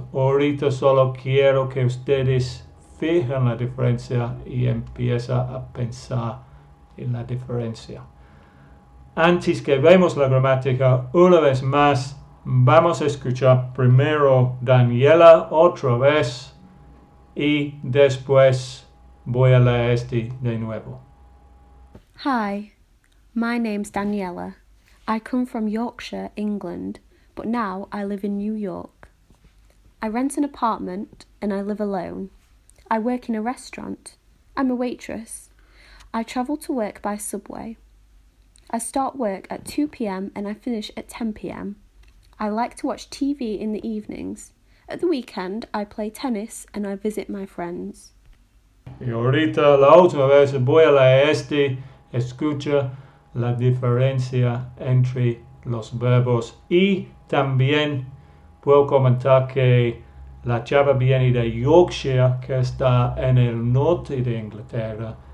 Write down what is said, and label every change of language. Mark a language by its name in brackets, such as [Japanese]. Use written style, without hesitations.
[Spanish] Ahorita solo quiero que ustedes fijen la diferencia y empiecen a pensar en la diferencia. Antes que veamos la gramática, una vez más, vamos a escuchar primero Daniela otra vez y después voy a leer este de nuevo. [English] Hi, my name's Daniela. I come from Yorkshire, England, but now I live in New York. I rent an apartment and I live alone. I work in a restaurant. I'm a waitress. I travel to work by subway. I start work at 2 p.m. and I finish at 10 p.m. I like to watch TV in the evenings. At the weekend, I play tennis and I visit my friends. [Spanish] Y ahorita, la última vez, voy a leer este. Escucha la diferencia entre los verbos. Y también puedo comentar que la chava viene de Yorkshire, que está en el norte de Inglaterra.